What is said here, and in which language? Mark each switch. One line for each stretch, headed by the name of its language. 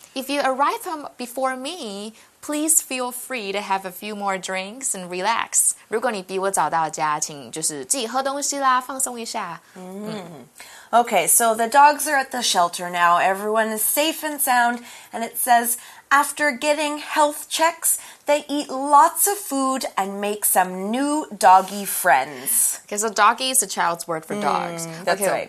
English: If you arrive home before me, please feel free to have a few more drinks and relax.
Chinese: 如果你比我早到家，请就是自己喝东西啦，放松一下。 Mm-hmm.
English: Okay, so the dogs are at the shelter now. Everyone is safe and sound, and it says, after getting health checks, they eat lots of food and make some new doggy friends. Okay, so doggy is a child's word for dogs. That's right.